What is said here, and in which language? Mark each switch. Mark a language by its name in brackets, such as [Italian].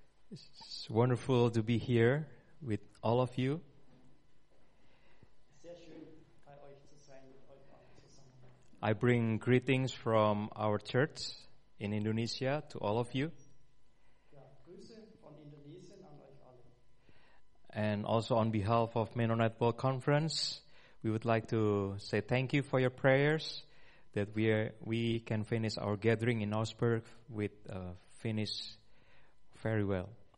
[English] It's wonderful to be here with all of you. [German] Sehr schön, bei euch zu sein, mit euch zusammen. [English] I bring greetings from our church in Indonesia to all of you. [German] Ja, Grüße von Indonesien an euch alle. [English] And also on behalf of Mennonite World Conference, we would like to say thank you for your prayers that we can finish our gathering in Augsburg with finish very well.